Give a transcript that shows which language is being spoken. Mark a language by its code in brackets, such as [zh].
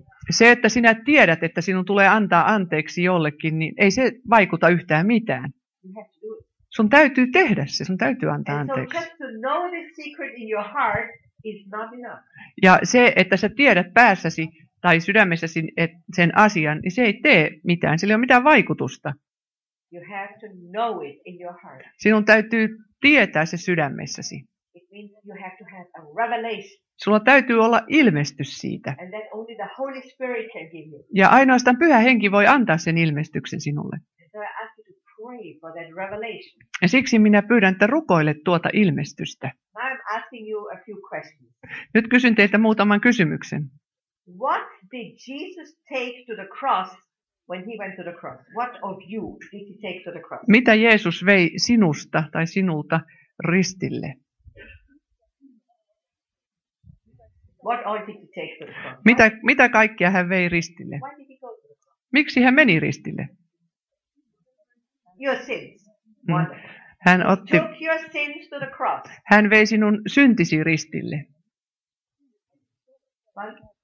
[fi] Se, että sinä tiedät, että sinun tulee antaa anteeksi jollekin, niin ei se vaikuta yhtään mitään. Sun täytyy tehdä se, sun täytyy antaa anteeksi. [en] So just to know this secret in your heart is not enough. [fi] Ja se, että sä tiedät päässäsi tai sydämessäsi sen asian, niin se ei tee mitään, sillä ei ole mitään vaikutusta. [en] You have to know it in your heart. [fi] Sinun täytyy tietää se sydämessäsi. [en] It means you have to have a revelation. [fi] Sulla täytyy olla ilmestys siitä. [en] And that only the Holy Spirit can give you. [fi] Ja ainoastaan Pyhä Henki voi antaa sen ilmestyksen sinulle. [en] And so I ask you to pray for that revelation. [fi] Ja siksi minä pyydän, että rukoile tuota ilmestystä. [en] Now I'm asking you a few questions. [fi] Nyt kysyn teiltä muutaman kysymyksen. [en] What did Jesus take to the cross? When he went to the cross, what of you did he take to the cross? [fi] Mitä Jeesus vei sinusta tai sinulta ristille? [en] What all did he take to the cross? [fi] Mitä kaikkea hän vei ristille? [en] Why did he go to the cross? [fi] Miksi hän meni ristille? [en] Your sins. [fi] Hän otti. [en] He took your sins to the cross. [fi] Hän vei sinun syntisi ristille. [en] What?